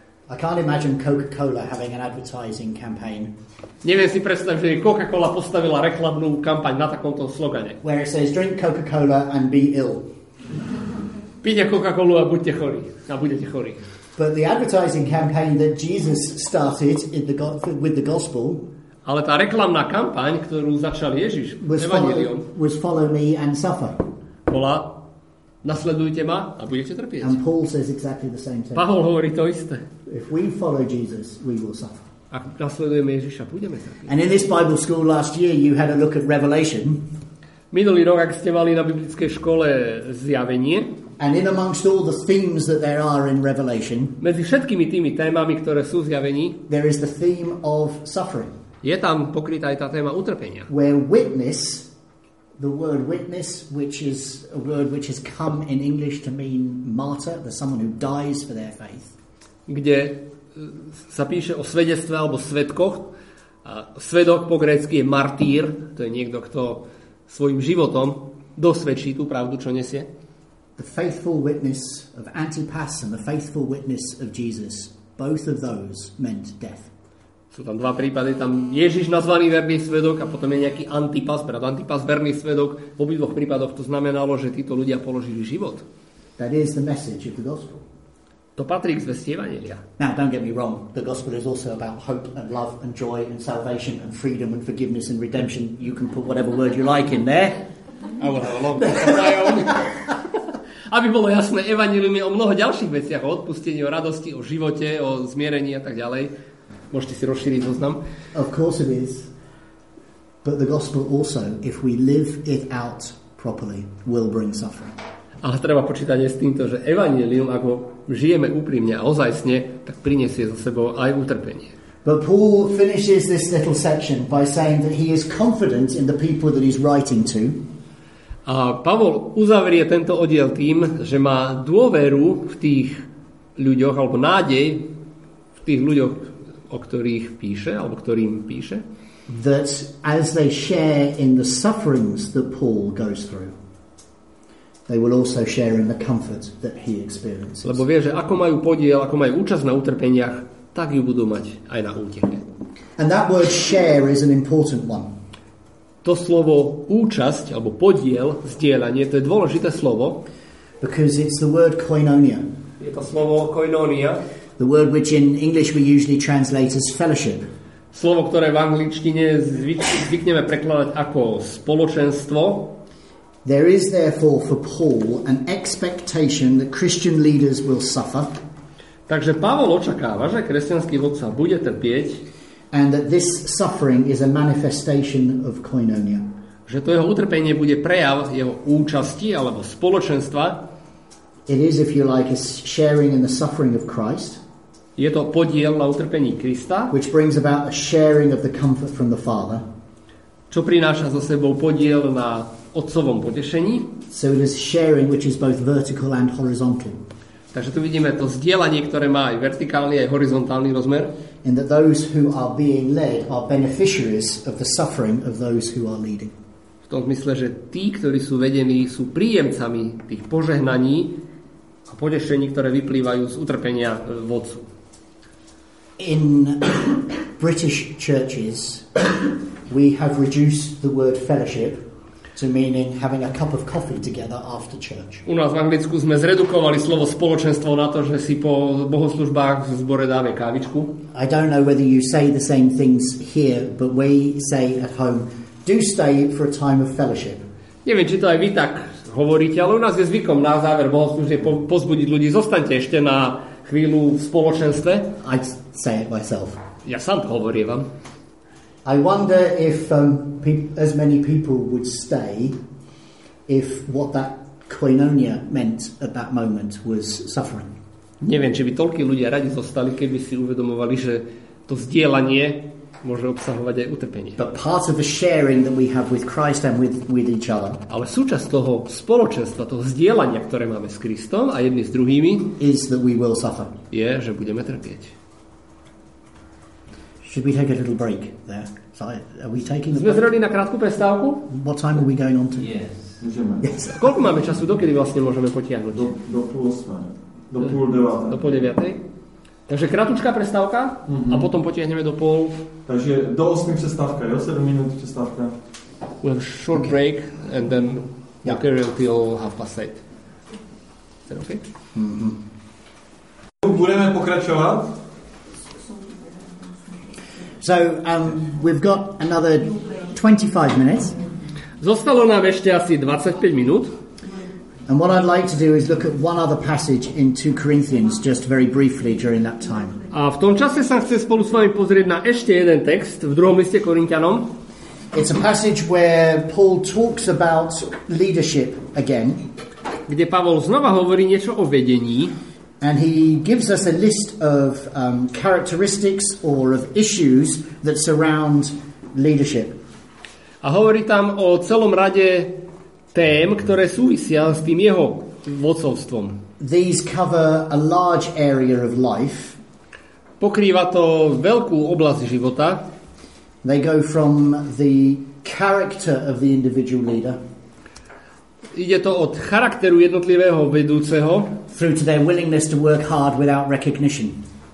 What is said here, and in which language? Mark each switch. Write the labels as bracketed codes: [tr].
[en] I can't imagine Coca-Cola having an advertising campaign. [sk] Neviem si predstaviť, že Coca-Cola postavila reklamnú kampaň na takomto slogane. [en] Where it says drink Coca-Cola and be ill. [sk] Pite Coca-Colu a buďte chorí. A budete chorí. [en] But the advertising campaign that Jesus started with the gospel. [sk] Ale tá reklamná kampaň, ktorú začal Ježiš evanjeliom, [en] was follow me and suffer. [sk] Bola, nasledujte ma a budete trpieť. [en] And Paul says exactly the same thing. [sk] Pavol hovorí to isté. [en] If we follow Jesus, we will suffer. [sk] Ak nasledujeme Ježiša, budeme trpieť. [en] And in this Bible school last year, you had a look at Revelation. [sk] Minulý rok, ak ste mali na biblickej škole zjavenie. [en] And in amongst all the themes that there are in Revelation, [sk] medzi všetkými tými témami, ktoré sú v zjavení, [en] there is the theme of suffering. [sk] Je tam pokrytá aj tá téma utrpenia. [en] Where witness, the word witness, which is a word which has come in English to mean martyr, the someone who dies for their faith. [sk] Kde sa píše o svedectve alebo svedkoch. A svedok po grécky je martýr, to je niekto, kto svojím životom dosvedčí tú pravdu, čo nesie. [en] The faithful witness of Antipas and the faithful witness of Jesus, both of those meant death. [sk] Sú tam dva prípady, tam Ježiš nazvaný verný svedok a potom je nejaký Antipas, brat Antipas, verný svedok. V obidvoch prípadoch to znamenalo, že títo ľudia položili život. [en] That is the message of the gospel. [sk] To patrí k zvesti Evanjelia. [en] Now, don't get me wrong, the gospel is also about hope and love and joy and salvation and freedom and forgiveness and redemption. You can put whatever word you like in there. I will have a long time. [sk] Aby bolo jasné, Evanjelium je o mnoho ďalších veciach, o odpustení, o radosti, o živote, o zmierení a tak ďalej. Môžete si rozšíriť zoznam. [en] Of course it is. But the gospel also, if we live it out properly, will bring suffering. [sk] Ale treba počítať aj s týmto, že evanjelium, ako žijeme úprimne a ozajstne, tak prinesie za sebou aj utrpenie. [en] But Paul finishes this little section by saying that he is confident in the people that he's writing to. [sk] A Pavol uzavrie tento oddiel tým, že má dôveru v tých ľuďoch, alebo nádej v tých ľuďoch, o ktorých píše, alebo ktorým píše. [en] That as they share in the sufferings that Paul goes through, they will also share in the comfort that he experiences. [sk] Lebo vie, že ako majú podiel, ako majú účasť na utrpeniach, tak ju budú mať aj na úteche. [en] And that word share is an important one. [sk] To slovo účasť alebo podiel, zdieľanie, to je dôležité slovo. [en] Because it's the word koinonia. [sk] Je to slovo koinonia. [en] The word which in English we usually translate as fellowship. [sk] Slovo, ktoré v angličtine zvykneme prekladať ako spoločenstvo. [en] There is therefore for Paul an expectation that Christian leaders will suffer. [sk] Takže Pavol očakáva, že kresťanský vodca bude trpieť. [en] And that this suffering is a manifestation of koinonia. [sk] Že to jeho utrpenie bude prejav jeho účasti alebo spoločenstva. [en] It is, if you like, a sharing in the suffering of Christ. [sk] Je to podiel na utrpení Krista. [en] Which brings about a sharing of the comfort from the Father. [sk] Čo prináša so sebou podiel na otcovom potešení. [en] So it is sharing which is both vertical and horizontal. [sk] Takže tu vidíme to zdieľanie, ktoré má aj vertikálny, aj horizontálny rozmer. [en] And that those who are being led are beneficiaries of the suffering of those who are leading. [sk] V tom zmysle, že tí, ktorí sú vedení, sú príjemcami tých požehnaní a potešení, ktoré vyplývajú z utrpenia vodcu. [en] In British churches we have reduced the word fellowship to meaning having a cup of coffee together after church. [sk] U nás v Anglicku sme zredukovali slovo spoločenstvo na to, že si po bohoslužbách v zbore dáme kávičku. [en] I don't know whether you say the same things here, but we say at home, do stay for a time of fellowship. [sk] Neviem, či to aj vy tak hovoríte, ale u nás je zvykom na záver bohoslužby pozbudiť ľudí, zostaňte ešte na chvíľu v spoločenstve. [en] I say it myself. [sk] Ja sám to hovorievam. [en] I wonder if as many people would stay if what that koinonia meant at that moment was suffering. [sk] Neviem, či by toľkí ľudia radi zostali, keby si uvedomovali, že to zdieľanie môže obsahovať aj utrpenie. [en] But part of the sharing that we have with Christ and with each other. [sk] Ale súčasť toho spoločenstva, toho zdieľania, ktoré máme s Kristom a jedni s druhými, [en] is that we will suffer. [sk] Je, že budeme trpieť. [en] Should we take a little break there? Are we taking the break? [sk] Na krátku prestávku? [en] What time are we going on to? Yes. Yes. [sk] Koľko máme času? Dokedy vlastne môžeme potiahnuť? Do pôl osmej. Do pôl deviatej. Do pôl deviatej. Takže krátučká prestávka a potom potiahneme do pôl. Takže do osmej prestávka, jo? 7 minút prestávka. [en] We have short break and then we'll carry until half past eight. Is that okay? [sk] Budeme pokračovať. [en] So we've got another 25 minutes. [sk] Zostalo nám ešte asi 25 minút. [en] And what I'd like to do is look at one other passage in 2 Corinthians just very briefly during that time. [sk] A v tom čase sa chcem spolu s vami pozrieť na ešte jeden text v 2. liste Korintianom. [en] It's a passage where Paul talks about leadership again. [sk] Kde Pavol znova hovorí niečo o vedení. [en] And he gives us a list of characteristics or of issues that surround leadership. [sk] A hovorí tam o celom rade tém, ktoré súvisia s tým jeho vodcovstvom. [en] These cover a large area of life. [sk] Pokrýva to veľkú oblasť života. [en] They go from the character of the individual leader. [sk] Ide to od charakteru jednotlivého vedúceho. [en] Through to their willingness to work hard without recognition.